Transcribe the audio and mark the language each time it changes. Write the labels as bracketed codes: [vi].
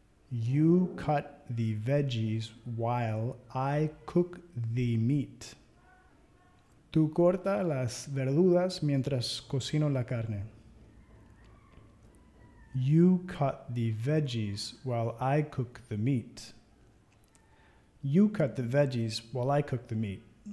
[en] You cut the veggies while I cook the meat. [es] Tú corta las verduras mientras cocino la carne. [en] You cut the veggies while I cook the meat. You cut the veggies while I cook the meat.